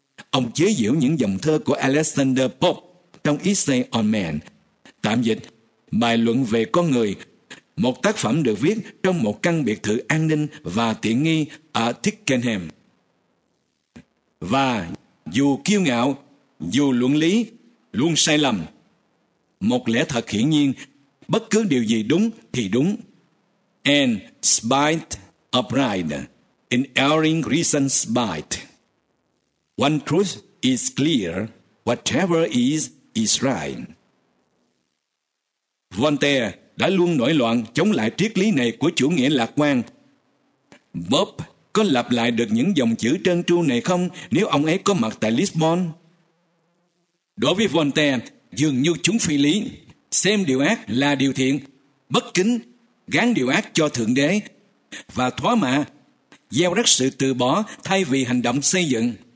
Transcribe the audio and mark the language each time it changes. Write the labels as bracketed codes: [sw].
[vi] Ông chế giễu những dòng thơ của Alexander Pope trong Essay on Man, tạm dịch bài luận về con người, một tác phẩm được viết trong một căn biệt thự an ninh và tiện nghi ở Twickenham. Và dù kiêu ngạo, dù luận lý, luôn sai lầm, một lẽ thật hiển nhiên, bất cứ điều gì đúng thì đúng. [en] In spite of pride, in erring reason spite, one truth is clear, whatever is right. [vi] Voltaire đã luôn nổi loạn chống lại triết lý này của chủ nghĩa lạc quan. Pope có lặp lại được những dòng chữ trơn tru này không nếu ông ấy có mặt tại Lisbon? Đối với Voltaire, dường như chúng phi lý, xem điều ác là điều thiện, bất kính, gán điều ác cho Thượng Đế và thóa mạ, gieo rắc sự từ bỏ thay vì hành động xây dựng.